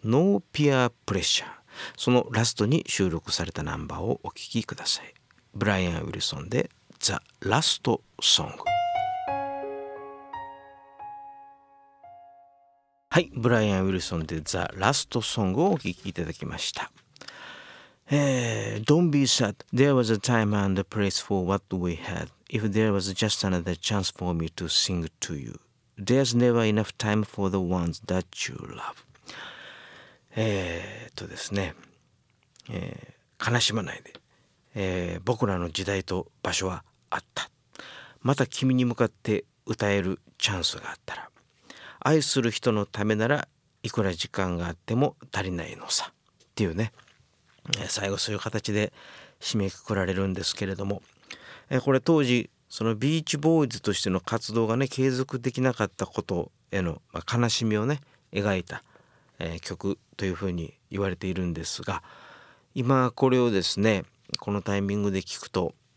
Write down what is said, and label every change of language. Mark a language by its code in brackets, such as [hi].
[ja] No Peer Pressure、 そのラストに収録されたナンバーをお聴きください。ブライアン・ウィルソンで The Last Song。はい、ブライアン・ウィルソンで The Last Song をお聴きいただきました。 [en] Don't be sad, there was a time and a place for what we had. If there was just another chance for me to sing to you, there's never enough time for the ones that you love. [ja] ですね、悲しまないで、僕らの時代と場所はあった。また君に向かって歌えるチャンスがあったら、愛する人のためならいくら時間があっても足りないのさっていうね、最後そういう形で締めくくられるんですけれども、これ当時そのビーチボーイズとしての活動がね継続できなかったことへの、悲しみをね描いた、曲というふうに言われているんですが、今これをですねこのタイミングで聞くと、